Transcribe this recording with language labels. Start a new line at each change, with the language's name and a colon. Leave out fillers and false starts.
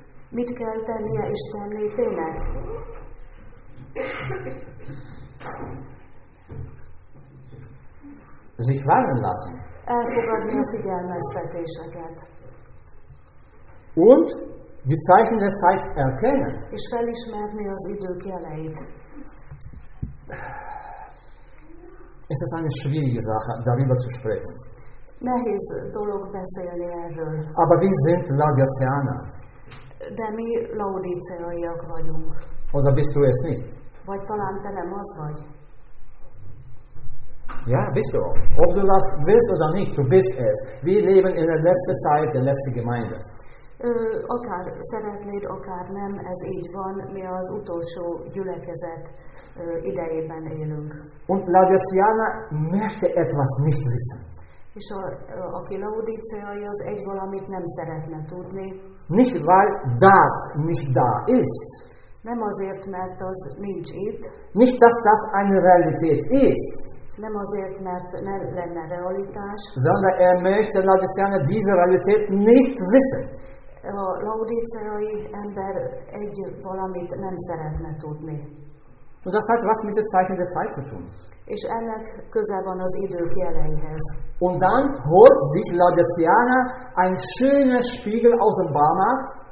Hungarian: Mit kell tennie Isten népének?
German: Sich warnen lassen.
Hungarian: Elfogadni a figyelmeztetéseket.
German: Und die Zeichen der Zeit erkennen.
Hungarian: És felismerni az idők jeleit.
German: Es ist eine schwierige Sache, darüber zu sprechen.
Hungarian: Nehéz dolog beszélni erről.
German: Aber wir sind Laodiceaner.
Hungarian: De mi Laodiceaiak vagyunk.
German: Oder bist du es nicht?
Hungarian: Vagy talán te nem az vagy.
German: Ja, bist du. Ob du das willst oder nicht, du bist es. Wir leben in der letzten Zeit, der letzten Gemeinde.
Hungarian: Akár szeretnéd, akár nem, ez így van, mi az utolsó gyülekezet idejében élünk.
German: Und Laodiceana möchte etwas nicht wissen.
Hungarian: És aki Laodiceai, az egy valamit nem szeretne tudni.
German: Nicht weil das nicht da ist.
Hungarian: Nem azért, mert az nincs itt.
German: Nicht, dass das eine Realität ist.
Hungarian: Nem azért, mert nem lenne realitás.
German: Sondern er möchte Laodiceana diese Realität nicht wissen.
Hungarian: A laodiceai ember egy valamit nem szeretne tudni.
German: Und das hat was mit den Zeichen der Zeit zu tun.
Hungarian: És ennek köze van az idők jeleihez.
German: Und dann holt sich Laodiceana ein schönes Spiegel aus dem Baumarkt.